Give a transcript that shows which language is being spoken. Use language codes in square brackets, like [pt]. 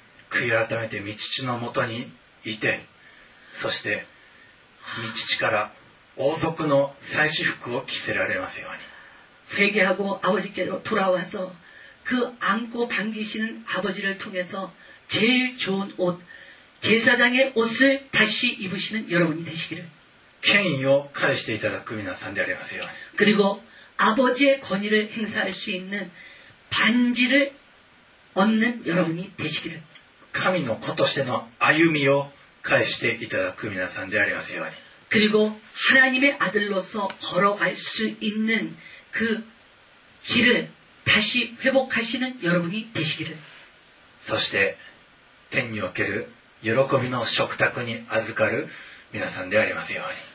[ja] 悔い改めて御父のもとにいてそして御父から王族の祭司服を着せられますように。 [ko] 회개하고아버지께로돌아와서그안고반기시는아버지를통해서제일좋은옷제사장의옷을다시입으시는여러분이되시기를 [ja] 権威を返していただく皆さんでありますように。 [ko] 그리고아버지의권위를행사할수있는반지를얻는여러분이되시기를 [ja] 神の子としての歩みを返していただく皆さんでありますように。 [ko] 그리고하나님의아들로서걸어갈수있는그길을다시회복하시는여러분이되시기를 [ja] そして天における喜びの食卓に預かる皆さんでありますように。